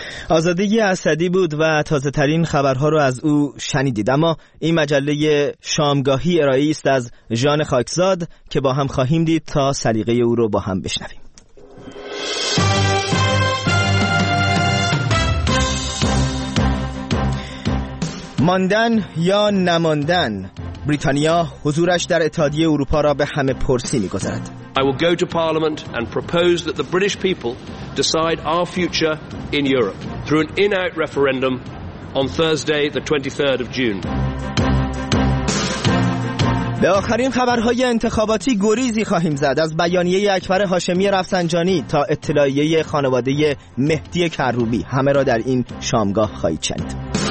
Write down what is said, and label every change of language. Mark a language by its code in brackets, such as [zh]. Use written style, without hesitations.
[fa] آزادگی اسدی بود و تازه ترین خبرها رو از او شنیدید، اما این مجله شامگاهی ارائه است از ژان خاکزاد که با هم خواهیم دید تا سلیقه او رو با هم بشنویم. ماندن یا نماندن، بریتانیا حضورش در اتحادیه اروپا را به همه پرسی می‌گذارد. [en] I will go to Parliament and propose that the British people decide our future in Europe through an in-out referendum on Thursday the 23rd of June. [fa] به آخرین خبرهای انتخاباتی گریزی خواهیم زد، از بیانیه اکبر هاشمی رفسنجانی تا اطلاعیه خانواده مهدی کروبی، همه را در این شامگاه خواهید شنید.